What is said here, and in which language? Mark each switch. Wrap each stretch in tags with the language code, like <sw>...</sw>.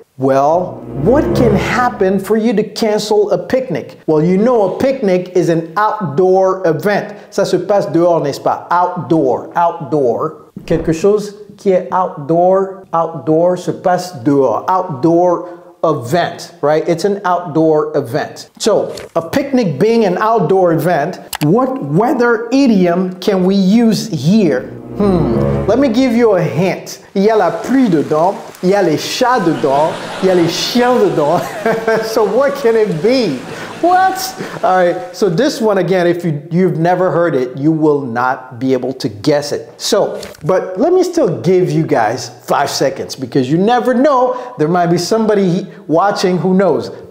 <en>Well, what can happen for you to cancel a picnic? Well, you know a picnic is an outdoor event.</en> <fr>Ça se passe dehors, n'est-ce pas?</fr> <en>Outdoor, outdoor.</en> <fr>Quelque chose qui est outdoor, outdoor se passe dehors.</fr> <en>Outdoor event, right? It's an outdoor event. So, a picnic being an outdoor event, what weather idiom can we use here? Let me give you a hint.</en> <fr>Il y a la pluie dedans, il y a les chats dedans, il y a les chiens dedans.</fr> <en>So what can it be? What? All right, so this one again, if you've never heard it, you will not be able to guess it. So, but let me still give you guys 5 seconds because you never know, there might be somebody watching who knows.</en>